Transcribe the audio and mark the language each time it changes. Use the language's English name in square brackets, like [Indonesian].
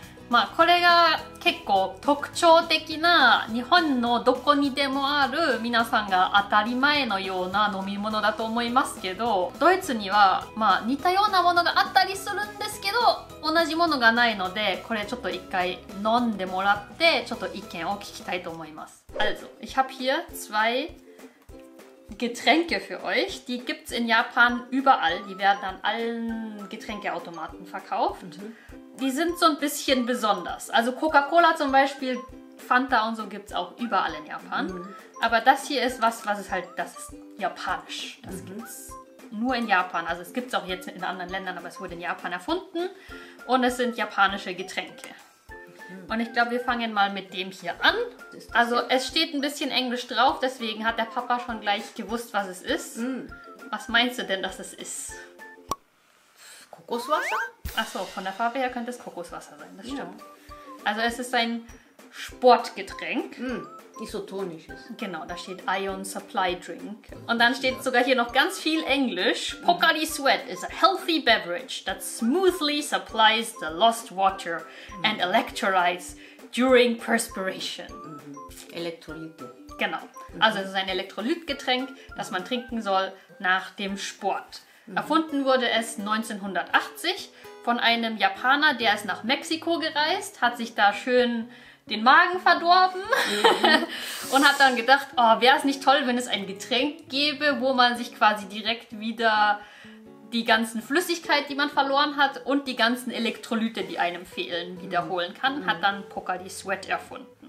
[Japanese] まあ、これが結構特徴的な日本のどこにでもある皆さんが当たり前のような飲み物だと思いますけど、ドイツにはまあ似たようなものがあったりするんですけど、同じものがないので、これちょっと一回飲んでもらって、ちょっと意見を聞きたいと思います。 [German] Also, ich habe hier zwei Getränke für euch. Die gibt's in Japan überall. Die werden an allen Getränkeautomaten verkauft. Die sind so ein bisschen besonders. Also Coca-Cola zum Beispiel, Fanta und so gibt's auch überall in Japan. Aber das hier ist was, was ist halt, das ist japanisch. Das gibt's nur in Japan. Also es gibt's auch jetzt in anderen Ländern, aber es wurde in Japan erfunden. Und es sind japanische Getränke. Und ich glaube, wir fangen mal mit dem hier an. Also es steht ein bisschen Englisch drauf, deswegen hat der Papa schon gleich gewusst, was es ist. Was meinst du denn, dass es ist? Kokoswasser? Achso, von der Farbe her könnte es Kokoswasser sein, das stimmt. Also es ist ein Sportgetränk. Isotonisches. Genau, da steht Ion Supply Drink. Und dann steht sogar hier noch ganz viel Englisch. [English] Pocari Sweat is a healthy beverage that smoothly supplies the lost water and electrolytes during perspiration. [German] Elektrolyte. Genau. Also es ist ein Elektrolytgetränk, das man trinken soll nach dem Sport. Erfunden wurde es 1980 von einem Japaner, der ist nach Mexiko gereist, hat sich da schön den Magen verdorben und hat dann gedacht, oh, wäre es nicht toll, wenn es ein Getränk gäbe, wo man sich quasi direkt wieder die ganzen Flüssigkeit, die man verloren hat, und die ganzen Elektrolyte, die einem fehlen, wiederholen kann, hat dann Pocari Sweat erfunden.